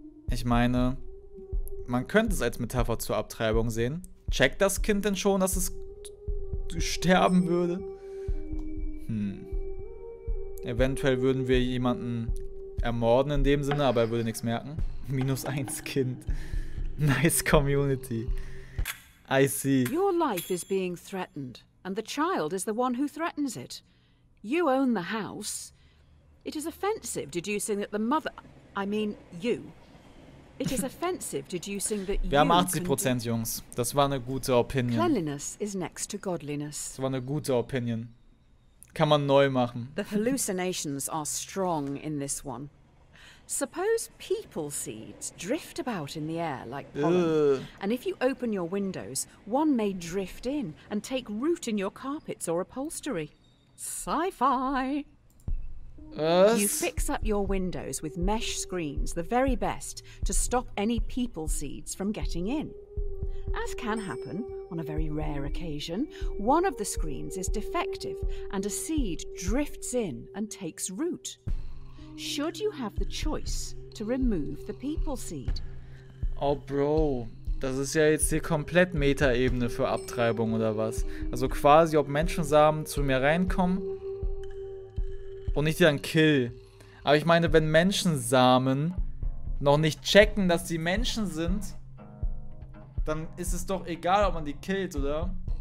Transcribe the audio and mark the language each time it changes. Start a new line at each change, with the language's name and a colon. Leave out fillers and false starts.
German: Ich meine, man könnte es als Metapher zur Abtreibung sehen. Checkt das Kind denn schon, dass es sterben würde? Eventuell würden wir jemanden ermorden in dem Sinne, aber er würde nichts merken. Minus eins Kind. Nice Community. I see.
English: Your life is being threatened, and the child is the one who threatens it. You own the house. It is offensive deducing that the mother... I mean, you. It is offensive deducing that you...
German: Wir haben 80%, Jungs. Das war eine gute Opinion.
English: Cleanliness is next to godliness.
German: Das war eine gute Opinion. Kann man neu machen.
English: The hallucinations are strong in this one. Suppose people seeds drift about in the air like pollen. And if you open your windows, one may drift in and take root in your carpets or upholstery. Sci-fi!
German: Was?
English: You fix up your windows with mesh screens, the very best, to stop any people seeds from getting in. As can happen, on a very rare occasion, one of the screens is defective and a seed drifts in and takes root. Should you have the choice to remove the people seed?
German: Oh, Bro, das ist ja jetzt hier komplett Meta-Ebene für Abtreibung oder was? Also quasi, ob Menschensamen zu mir reinkommen und ich die dann kill. Aber ich meine, wenn Menschensamen noch nicht checken, dass die Menschen sind, dann ist es doch egal, ob man die killt, oder?